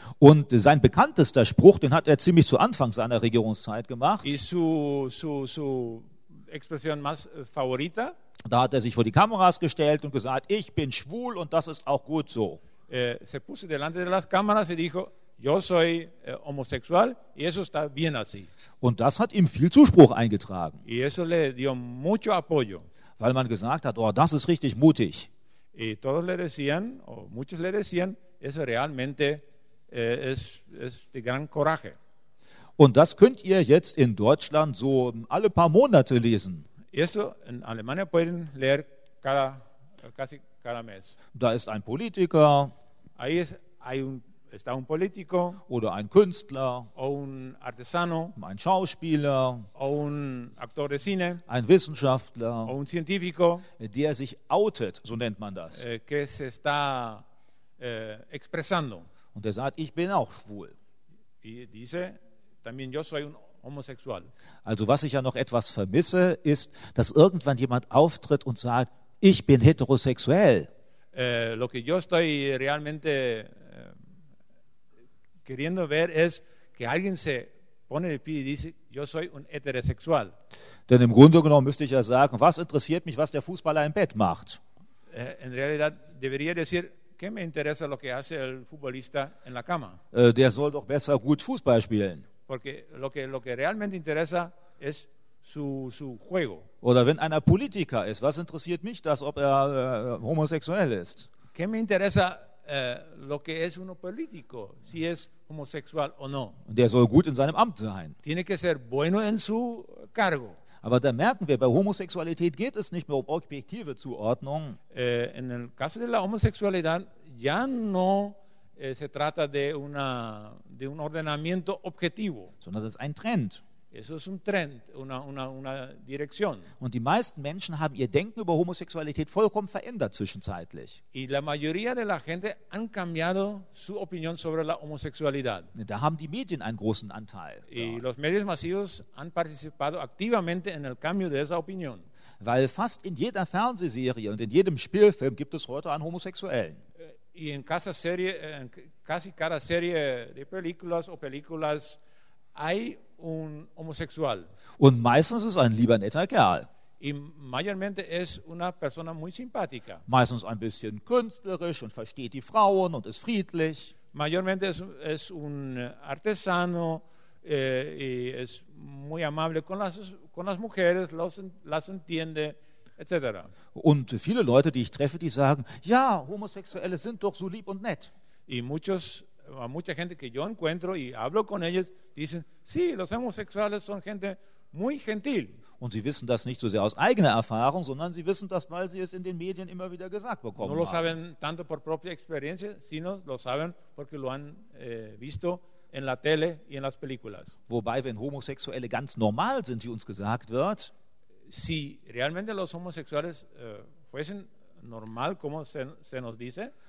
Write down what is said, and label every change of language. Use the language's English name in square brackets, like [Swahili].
[German] Und sein bekanntester Spruch, den hat ziemlich zu Anfang seiner Regierungszeit gemacht. [Spanish] Y su expresión más favorita. [German] Da hat sich vor die Kameras gestellt und gesagt, ich bin schwul und das ist auch gut so. [Spanish] Se puso delante de las cámaras y dijo, yo soy homosexual y eso está bien así. [German] Und das hat ihm viel Zuspruch eingetragen. [Spanish] Y eso le dio mucho apoyo. [German] Weil man gesagt hat, oh, das ist richtig mutig. [Spanish] Y todos le decían, o muchos le decían, eso realmente es de gran coraje. [German] Und das könnt ihr jetzt in Deutschland so alle paar Monate lesen. [Spanish] Esto en Alemania pueden leer casi cada mes. [German] Da ist ein Politiker. [Spanish] Ahí es, hay un, está un político, [German] oder ein Künstler, [Spanish] o un artesano, [German] ein Schauspieler, [Spanish] o un actor de cine, [German] ein Wissenschaftler, [Spanish] o un científico, [German] der sich outet, so nennt man das, [Spanish] que se está, expresando. [German] Und der sagt, ich bin auch schwul. [Spanish] Y dice, también yo soy un homosexual. [German] Also was ich ja noch etwas vermisse, ist, dass irgendwann jemand auftritt und sagt, ich bin heterosexuell. [Spanish] Lo que yo estoy realmente queriendo ver es que alguien se pone el pie y dice, yo soy un heterosexual. [German] Denn im Grunde genommen müsste ich ja sagen, was interessiert mich, was der Fußballer im Bett macht? [Spanish] En realidad debería decir, ¿qué me interesa lo que hace el futbolista en la cama? [German] Der soll doch besser gut Fußball spielen. [Spanish] Porque lo que realmente interesa es su juego. [German] Oder wenn einer Politiker ist, was interessiert mich das, ob er homosexuell ist? [Spanish] ¿Qué me interesa lo que es uno político, si es homosexual o no? [German] Der soll gut in seinem Amt sein. [Spanish] Tiene que ser bueno en su cargo. [German] Aber da merken wir, bei Homosexualität geht es nicht mehr um objektive Zuordnung. [Spanish] En el caso de la homosexualidad ya no se trata de un ordenamiento objetivo. [German] Sondern es ist ein Trend. [Spanish] Eso es un trend, una dirección. [German] Und die meisten Menschen haben ihr Denken über Homosexualität vollkommen verändert zwischenzeitlich. [Spanish] Y la mayoría de la gente han cambiado su opinión sobre la homosexualidad. [German] Da haben die Medien einen großen Anteil. [Spanish] Y da. Los medios masivos han participado activamente en el cambio de esa opinión. [German] Weil fast in jeder Fernsehserie und in jedem Spielfilm gibt es heute einen Homosexuellen. [Spanish] Y en casi cada serie de películas o películas hay un homosexual. [German] Und meistens ist ein lieber netter Kerl. [Spanish] Y mayormente es una persona muy simpática. [German] Meistens ein bisschen künstlerisch und versteht die Frauen und ist friedlich. [Spanish] Mayormente es un artesano y es muy amable con las mujeres, las entiende, etc. [German] Und viele Leute, die ich treffe, die sagen, ja, Homosexuelle sind doch so lieb und nett. [Spanish] Y muchos a mucha gente que yo encuentro y hablo con ellos dicen sí, los homosexuales son gente muy gentil. [German] Und sie wissen das nicht so sehr aus eigener Erfahrung, sondern sie wissen das, weil sie es in den Medien immer wieder gesagt bekommen. [Spanish] No lo saben tanto por propia experiencia, sino lo saben porque lo han visto en la tele y en las películas. [German] Wobei, wenn Homosexuelle ganz normal sind, wie uns gesagt wird, [Spanish] si realmente los homosexuales fuesen normal como se nos dice,